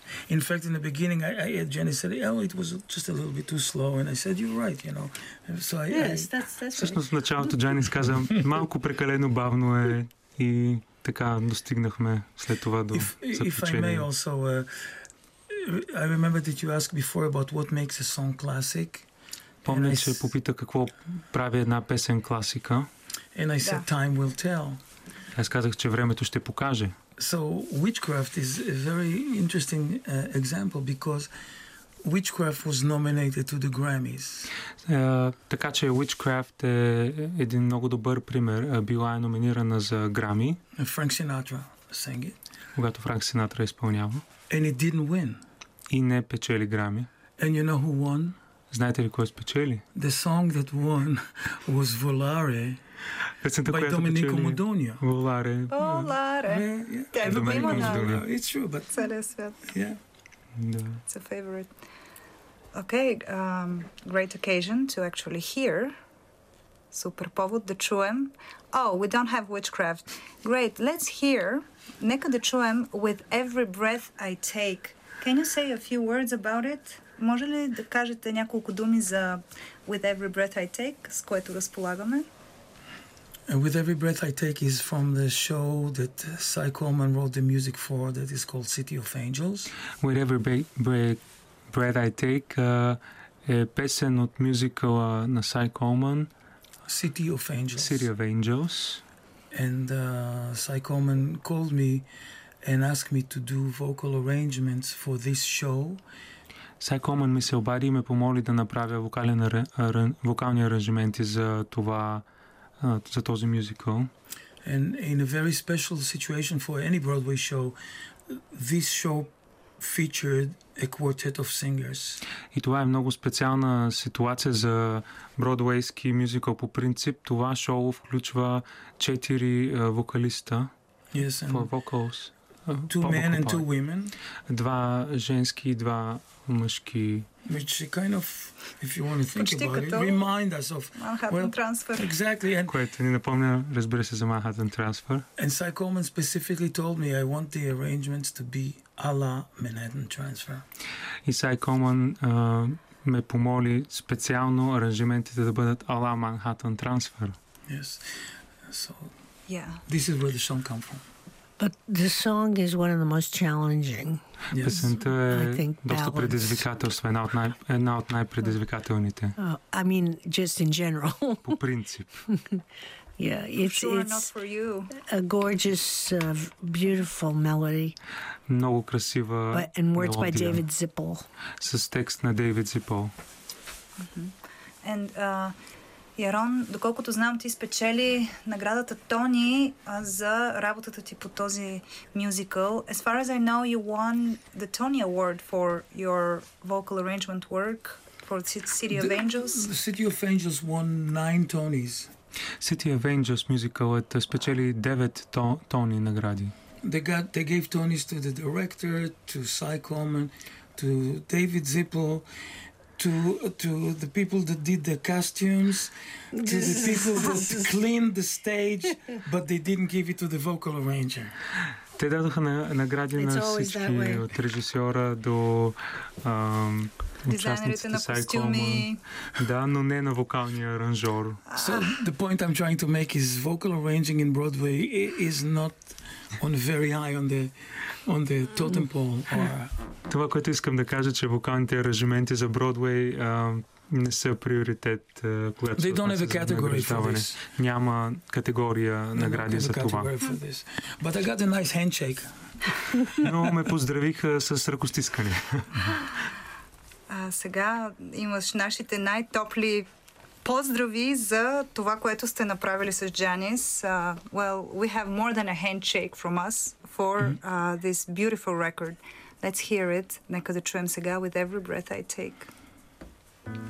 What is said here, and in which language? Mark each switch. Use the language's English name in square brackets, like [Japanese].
[English] In fact, in the beginning, Jenny said, "Oh, it was just a little bit too slow," and I said, "You're right, you know." So that's right. [Bulgarian] Началото Джани каза, малко прекалено бавно е и така достигнахме след това до заключение. [English] If I may also, I remember that you asked before about what makes a song classic. [Bulgarian] Помня, че попита какво прави една песен класика. [English] And I said, time will tell. [Bulgarian] Аз казах, че времето ще покаже. [English] So witchcraft is a very interesting example because witchcraft was nominated to the Grammys. [Bulgarian] Така че witchcraft е един много добър пример. Била е номинирана за Грами. [English] Frank Sinatra sang it. [Bulgarian] Когато Frank Sinatra изпълнява. [English] And it didn't win. [Bulgarian] И не печели Грами. [English] And you know who won? [Bulgarian] Знаете ли кой спечели? [English] The song that won was Volare by Domenico Modugno. Volare. Volare. Domenico Modugno. It's true, but... Yeah. It's a favorite. Okay, great occasion to actually hear. [Bulgarian] Super повод да чуем. [English] Oh, we don't have witchcraft. Great, let's hear. [Bulgarian] Нека да чуем [English] With Every Breath I Take. Can you say a few words about it? [Bulgarian] Може ли да кажете няколко думи за With Every Breath I Take, с което разполагаме? [English] With Every Breath I Take is from the show that Cy Coleman wrote the music for that is called City of Angels. [Bulgarian] With Every Breath I Take е песен от мюзикъла на Cy Coleman. [English] City of Angels. City of Angels. And Cy Coleman called me and asked me to do vocal arrangements for this show. [Bulgarian] Сай Колман ми се обади и ме помоли да направя вокални аранжименти за това, за този мюзикъл. [English] And in a very special situation for any Broadway show, this show featured a quartet of singers. [Bulgarian] И това е много специална ситуация за бродвейски мюзикъл по принцип. Това шоу включва 4 вокалиста. [English] Yes, and for vocals. Two men and two women. [Bulgarian] Два женски и два мъжки. [English] Which kind of, if you want to think about it, remind us of Manhattan Transfer. Exactly. [Bulgarian] Което ни напомня, разбира се, за Manhattan Transfer. [English] And Cy Coleman specifically told me I want the arrangements to be a la Manhattan Transfer. [Bulgarian] И Cy Coleman ме помоли специално аранжиментите да бъдат a la Manhattan Transfer. [English] Yes. So, yeah. This is where the song come from. But the song is one of the most challenging. Yes. I think [Bulgarian] доста предизвикателство, една от най-предизвикателните. [English] I mean, just in general. [Bulgarian] По принцип. [English] Yeah, it's not for you. A gorgeous, beautiful melody. [Bulgarian] Много красива мелодия. [English] And words by David Zippel. [Bulgarian] С текст на Дейвид Зипол. And Ярон, доколкото знам, ти спечели наградата Тони за работата ти по този мюзикъл. [English] As far as I know, you won the Tony Award for your vocal arrangement work for City of Angels. The City of Angels won 9 Tonys. [Bulgarian] City of Angels мюзикълът спечели 9 Тони награди. [English] They gave Tonys to the director, to Cy Coleman, to David Zippel, to the people that did the costumes, to the people that cleaned the stage, but they didn't give it to the vocal arranger. [Bulgarian] Те дадоха награди на всички, от режисьора до участниците на костюми. Да, но не на вокалния аранжор. [English] So the point I'm trying to make is vocal arranging in Broadway is not on very high on the totem pole. [Bulgarian] Това, което искам да кажа, че вокалните аранжименти за Бродвей не са приоритет, когато [English] they don't have a category for this. [Bulgarian] Няма категория награди за това. [English] But I got a nice handshake. [Bulgarian] Но ме поздравиха с ръкостискане. Сега имаш нашите най-топли поздрави за това, което сте направили с Джанис. [English] Well, we have more than a handshake from us for this beautiful record. Let's hear it. [Bulgarian] Нека да чуем сега With Every Breath I Take.